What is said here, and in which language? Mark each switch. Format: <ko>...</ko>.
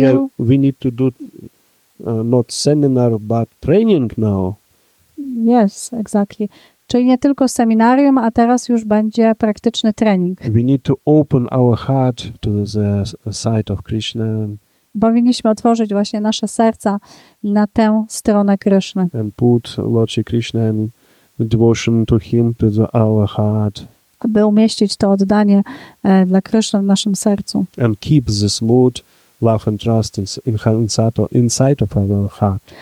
<en>Yeah, we need to do not seminar, but training now. Yes, exactly.</en> <pl>Czyli nie tylko seminarium, a teraz już będzie praktyczny trening.</pl> <en>We need to open our heart to the side of Krishna.</en> <pl>Powinniśmy otworzyć właśnie nasze serca na tę stronę Krishna.</pl> <en>And put Lord Krishna and devotion to him to the, our heart.</en> <pl>Aby umieścić to oddanie dla Krishna w naszym sercu.</pl> <en>And keep this mood, love and trust inside of our heart.</en>